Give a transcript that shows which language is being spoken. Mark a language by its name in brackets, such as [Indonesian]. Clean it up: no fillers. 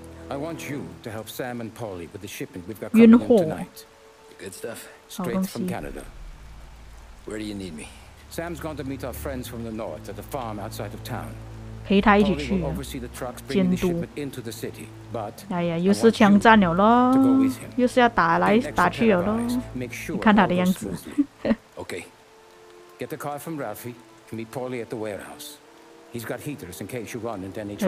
[English] I want you to help Sam and Polly with the shipping we've got coming in tonight. Good stuff. Straight from Canada. Where do you need me? Sam's gone to meet our friends from the north at the farm outside of town. [Chinese] 陪他一起去啊, [English] Tony will oversee the trucks bringing the shipment into the city, but [Chinese] 又是枪战了咯，又是要打来打去了咯，你看他的样子。 [English] Okay. Get the car from Ralphie and meet Paulie at the warehouse. He's got heaters in case you run into any trouble.